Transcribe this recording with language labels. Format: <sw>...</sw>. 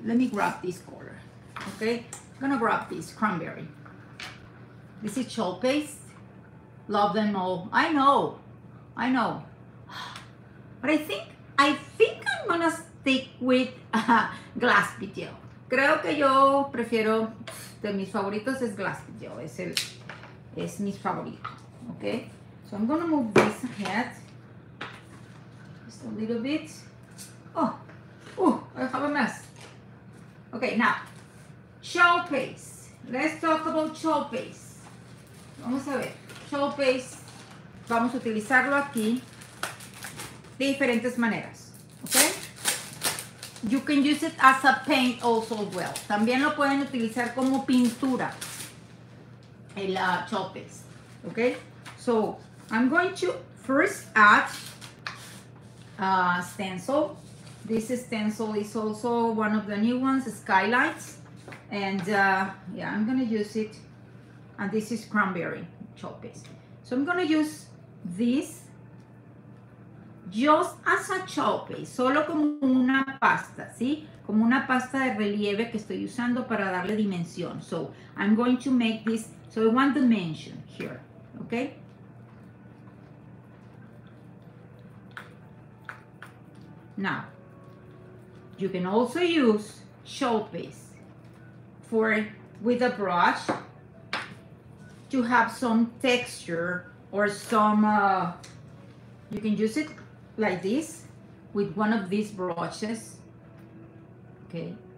<en>Let me grab this color. Okay, I'm gonna grab this cranberry. This is chalk paste. Love them all. I know. But I think I'm gonna stick with glass bead gel.</en> <es>Creo que yo prefiero, de mis favoritos es Glass. Yo, es el, es mi favorito, ¿ok?</es> <en>So I'm gonna move this ahead. Just a little bit. Oh, I have a mess. Okay, now, showpaste. Let's talk about showpaste.</en> <es>Vamos a ver,</es> <en>showpaste.</en> <es>Vamos a utilizarlo aquí de diferentes maneras, ¿ok?</es> <en>You can use it as a paint also well.</en> <es>También lo pueden utilizar como pintura, el showpaste, ¿ok?</es> <en>So, I'm going to first add a stencil. This stencil is also one of the new ones, Skylights. And yeah, I'm gonna use it. And this is cranberry showpaste. So I'm gonna use this just as a showpaste,</en> <es>solo como una pasta, ¿sí? Como una pasta de relieve que estoy usando para darle dimensión.</es> <en>So I'm going to make this, so I want dimension here, okay? Now, you can also use showpaste for, with a brush to have some texture or some, you can use it like this with one of these brushes, okay?</en>